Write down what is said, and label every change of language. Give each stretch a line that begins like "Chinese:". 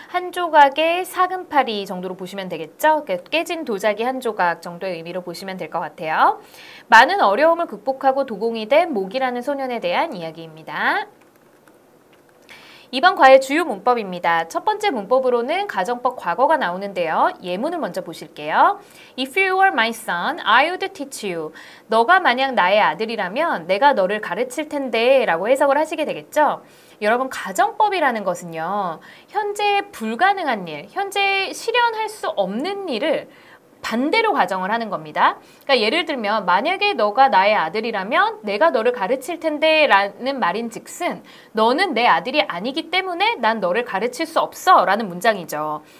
Korean: 한 조각의 사금팔이 정도로 보시면 되겠죠? 깨진 도자기 한 조각 정도의 의미로 보시면 될 것 같아요. 많은 어려움을 극복하고 도공이 된 목이라는 소년에 대한 이야기입니다. 이번 과의 주요 문법입니다. 첫 번째 문법으로는 가정법 과거가 나오는데요. 예문을 먼저 보실게요.
English: If you were my son, I would teach you.
Korean: 너가 만약 나의 아들이라면 내가 너를 가르칠 텐데 라고 해석을 하시게 되겠죠. 여러분, 가정법이라는 것은요. 현재 불가능한 일, 현재 실현할 수 없는 일을 반대로 가정을 하는 겁니다. 그러니까 예를 들면 만약에 너가 나의 아들이라면 내가 너를 가르칠 텐데 라는 말인 즉슨 너는 내 아들이 아니기 때문에 난 너를 가르칠 수 없어 라는 문장이죠.